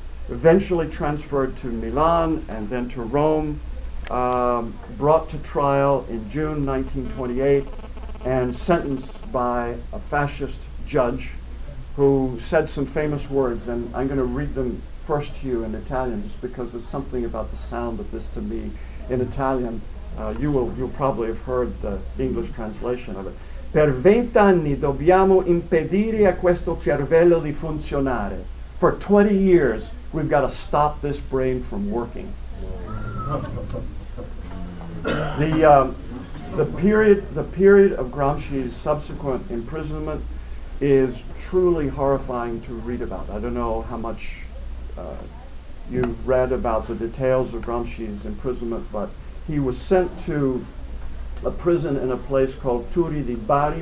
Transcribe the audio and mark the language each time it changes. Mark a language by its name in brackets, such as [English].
[English] eventually transferred to Milan and then to Rome, brought to trial in June 1928, and sentenced by a fascist judge who said some famous words, and I'm going to read them first to you in Italian, just because there's something about the sound of this to me in Italian. You'll probably have heard the English translation of it. [Italian] Per vent'anni dobbiamo impedire a questo cervello di funzionare. [English] For 20 years, we've got to stop this brain from working. The period of Gramsci's subsequent imprisonment is truly horrifying to read about. I don't know how much you've read about the details of Gramsci's imprisonment, but he was sent to a prison in a place called Turi di Bari.